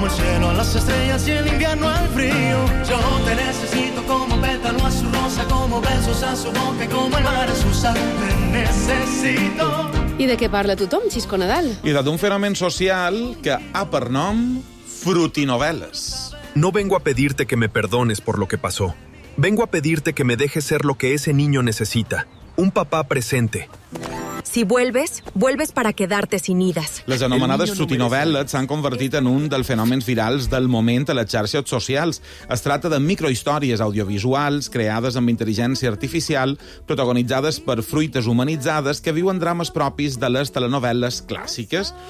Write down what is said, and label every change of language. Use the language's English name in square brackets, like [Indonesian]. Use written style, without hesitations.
[Spanish] como el cielo, a las estrellas y el invierno al frío. Yo te necesito como pétalo a su rosa, como besos a su boca, como el mar a su sal. Te necesito. [Catalan] I de què parla tothom, Xisco Nadal? I d'un fenomen social que ha per nom frutinovel·les. [Spanish] No vengo a pedirte que me perdones por lo que pasó. Vengo a pedirte que me dejes ser lo que ese niño necesita. Un papá presente. Si vuelves, vuelves para quedarte sin idas. [Catalan] Les anomenades frutinovel·les s'han convertit en un dels fenòmens virals del moment a les xarxes socials. Es tracta de microhistòries audiovisuals creades amb intel·ligència artificial, protagonitzades per fruites humanitzades que viuen drames propis de les telenovel·les clàssiques.